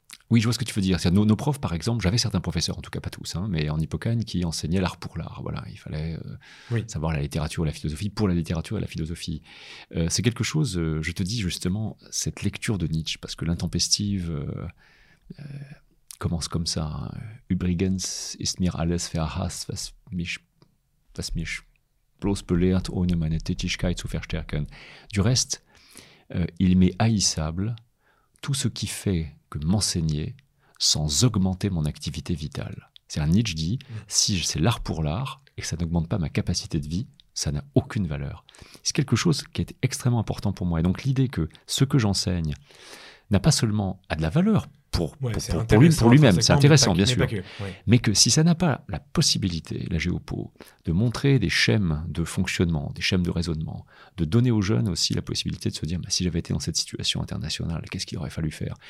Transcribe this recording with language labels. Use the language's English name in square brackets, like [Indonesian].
[French] Oui, je vois ce que tu veux dire. C'est-à-dire, nos profs, par exemple, j'avais certains professeurs, en tout cas pas tous, hein, mais en Hippocagne, qui enseignaient l'art pour l'art. Voilà, il fallait savoir la littérature, la philosophie, pour la littérature et la philosophie. C'est quelque chose, je te dis justement, cette lecture de Nietzsche, parce que l'intempestive commence comme ça. Hein. [German] Übrigens ist mir alles verhasst, was mich bloß belehrt, ohne meine Tätigkeit zu verstärken. [French] Du reste, il m'est haïssable tout ce qui fait que m'enseigner sans augmenter mon activité vitale. C'est-à-dire, Nietzsche dit, si c'est l'art pour l'art et que ça n'augmente pas ma capacité de vie, ça n'a aucune valeur. C'est quelque chose qui est extrêmement important pour moi. Et donc, l'idée que ce que j'enseigne n'a pas seulement a de la valeur pour lui-même, c'est intéressant, bien sûr, mais que si ça n'a pas la possibilité, la géopo, de montrer des schèmes de fonctionnement, des schèmes de raisonnement, de donner aux jeunes aussi la possibilité de se dire, bah, si j'avais été dans cette situation internationale, qu'est-ce qu'il aurait fallu faire?